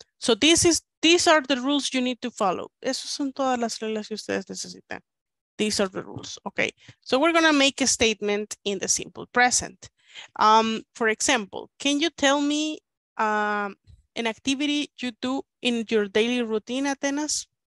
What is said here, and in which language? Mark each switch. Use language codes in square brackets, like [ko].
[en] So these are the rules you need to follow. [es] Esas son todas las reglas que ustedes necesitan. [en] These are the rules, okay. So we're gonna make a statement in the simple present. For example, can you tell me an activity you do in your daily routine, Atenas?